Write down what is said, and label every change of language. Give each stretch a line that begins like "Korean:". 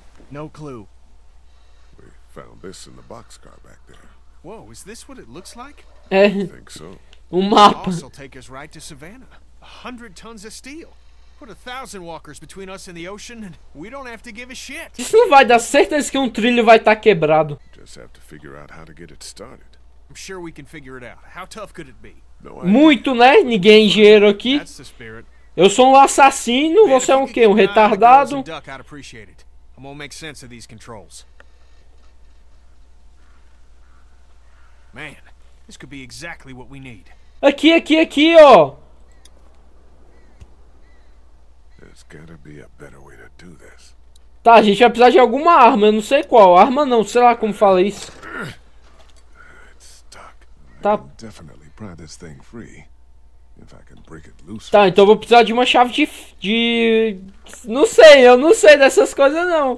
English: No clue. We found this in the boxcar back there. Whoa, is this what it looks like?
Portuguese: É.
English: Think so.
Portuguese: Um mapa.
English: This will take us right to Savannah. 100 tons of steel. Put 1,000 walkers between us and the ocean and we don't have to give a shit.
Portuguese: Isso não vai dar certeza que um trilho vai estar quebrado.
English: Just have to figure out how to get it started. I'm sure we can figure it out. How tough could it be?
Portuguese: Muito, né? Ninguém é engenheiro aqui.
English: That's the spirit.
Portuguese: Eu sou um assassino, você é um quê? Um retardado?
English: I'm gonna make sense of these controls. Man, this could be exactly what we need.
Portuguese: Aqui, ó.
English: There's gotta be a better way to do this.
Portuguese: Tá, a gente vai precisar de alguma arma, eu não sei qual. Arma não, sei lá como fala isso.
English: It's stuck.
Portuguese: Tá.
English: Definitely pry this thing free. If I can break it loose.
Portuguese: Tá, então eu vou precisar de uma chave de... Não sei, eu não sei dessas coisas não.